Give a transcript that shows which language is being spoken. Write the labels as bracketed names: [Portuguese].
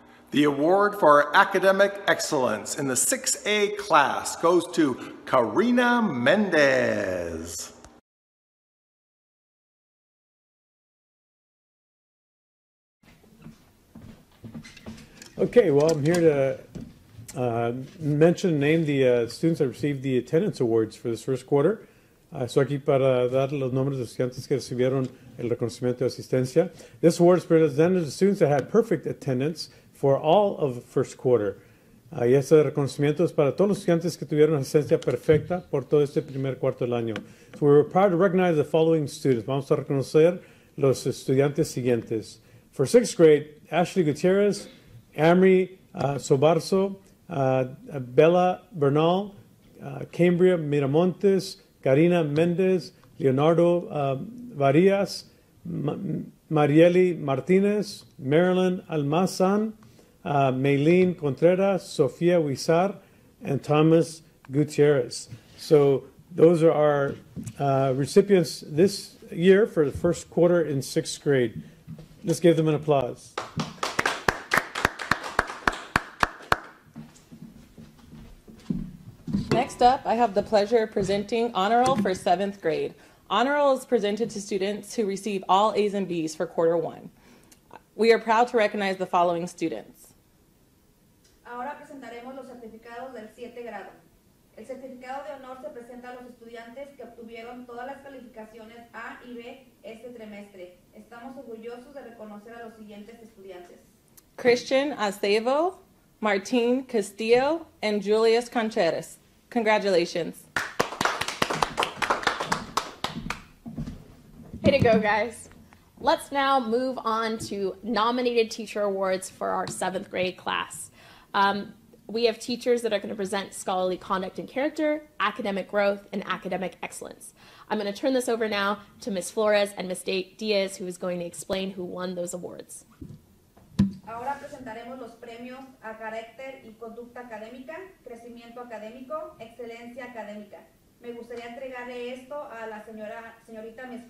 [English] The award for academic excellence in the 6A class goes to Karina Mendez. Okay, well, I'm here to mention and name the students that received the attendance awards for this first quarter. [Spanish] Estoy aquí para dar los nombres de estudiantes que recibieron el reconocimiento de asistencia. [English] This award is presented to students that had perfect attendance for all of the first quarter. [Spanish] Y este reconocimiento es para todos los estudiantes que tuvieron asistencia perfecta por todo este primer cuarto del año. [English] So we're proud to recognize the following students. [Spanish] Vamos a reconocer los estudiantes siguientes. [English] For sixth grade, Ashley Gutierrez, Amri Sobarzo, Bella Bernal, Cambria Miramontes, Karina Mendez, Leonardo Varias, Marieli Martinez, Marilyn Almazan, Maylene Contreras, Sofia Huizar, and Thomas Gutierrez. So those are our recipients this year for the first quarter in sixth grade. Let's give them an applause. Next up, I have the pleasure of presenting Honor Roll for seventh grade. Honor Roll is presented to students who receive all A's and B's for quarter one. We are proud to recognize the following students. [Spanish] Ahora presentaremos los certificados del 7 grado. El certificado de honor se presenta a los estudiantes que obtuvieron todas las calificaciones A y B este trimestre. Estamos orgullosos de reconocer a los siguientes estudiantes. [English] Christian Acevo, Martin Castillo, and Julius Concheres. Congratulations. Way to go, guys. Let's now move on to nominated teacher awards for our seventh grade class. We have teachers that are going to present scholarly conduct and character, academic growth, and academic excellence. I'm going to turn this over now to Ms. Flores and Ms. Diaz, who is going to explain who won those awards. [Spanish] Ahora presentaremos los premios a carácter y conducta académica, crecimiento académico, excelencia académica. Me gustaría entregarle esto a la señorita Ms.